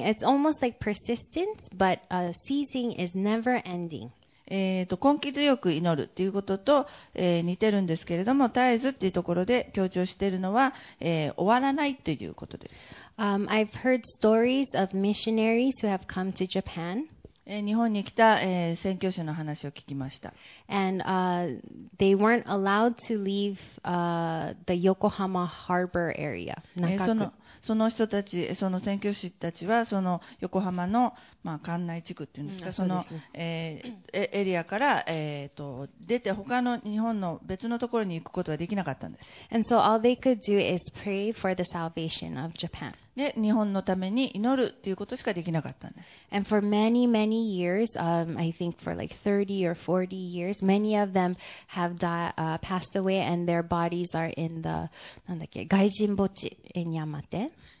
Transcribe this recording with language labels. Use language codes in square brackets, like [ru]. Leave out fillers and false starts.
[en] It's almost like persistence, but ceasing is never ending. [ja] 根気強く祈るっていうことと、似てるんですけれども、絶えずっていうところで強調しているのは、終わらないということです。 [en] I've heard stories of missionaries who have come to Japan. [ja] 日本に来た、宣教師の話を聞きました。 [en] And, they weren't allowed to leave, the Yokohama Harbor area. [ja] その人たち、その宣教師たちは、その横浜の、まあ、関内地区っていうんですか、その、エリアから、出て、他の日本の別のところに行くことはできなかったんです。 [en] And so all they could do is pray for the salvation of Japan. [ja] で、日本のために祈るっていうことしかできなかったんです。 [en] And for many, many years, I think for like 30 or 40 years, many of them have passed away and their bodies are in the, [ja] なんだっけ、外人墓地、 [en] in Yamate.